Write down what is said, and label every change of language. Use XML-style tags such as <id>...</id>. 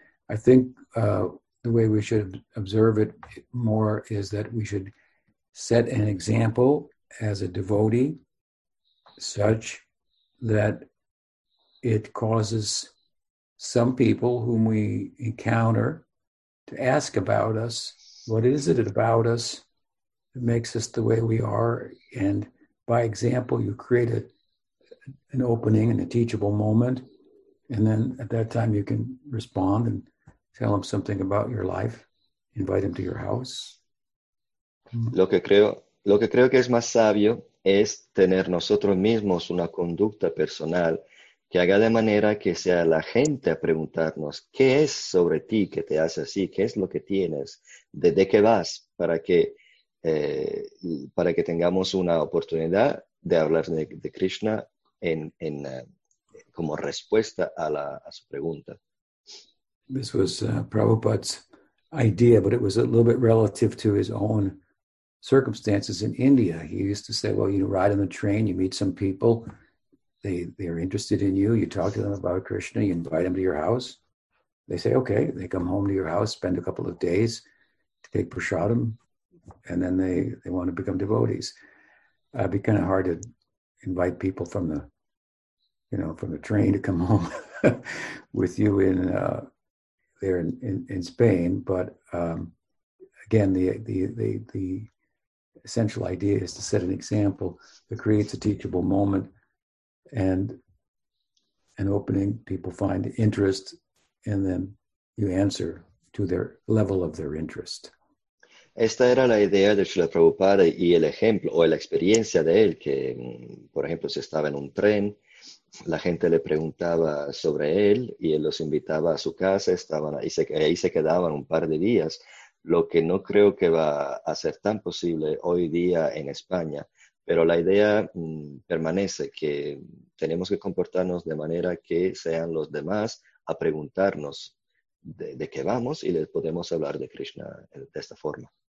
<en>I think the way we should observe it more is that we should set an example as a devotee such that it causes some people whom we encounter to ask about us, what is it about us that makes us the way we are? And by example, you create an opening and a teachable moment. And then at that time, you can respond and tell them something about your life, invite them to your house.</en> <es>Lo que creo que es más sabio es tener nosotros mismos una conducta personal que haga de manera que sea la gente a preguntarnos qué es sobre ti que te hace así, qué es lo que tienes, de qué vas, para que tengamos una oportunidad de hablar de Krishna como respuesta a su pregunta.</es> <en>This was Prabhupada's idea, but it was a little bit relative to his own circumstances in India. He used to say, well, you ride on the train, you meet some people, they're interested in you, you talk to them about Krishna, you invite them to your house. They say, okay, they come home to your house, spend a couple of days, take prasadam, and then they want to become devotees. It'd be kind of hard to invite people from the, you know, from the train to come home with you in Spain, but again, the essential idea is to set an example that creates a teachable moment and an opening. People find interest, and then you answer to their level of their interest.</en> <es>Esta era la idea de Srila Prabhupada y el ejemplo o la experiencia de él, que por ejemplo si estaba en un tren, la gente le preguntaba sobre él y él los invitaba a su casa, estaban ahí, se quedaban un par de días, lo que no creo que va a ser tan posible hoy día en España, pero la idea permanece que tenemos que comportarnos de manera que sean los demás a preguntarnos de qué vamos y les podemos hablar de Krishna de esta forma.</es>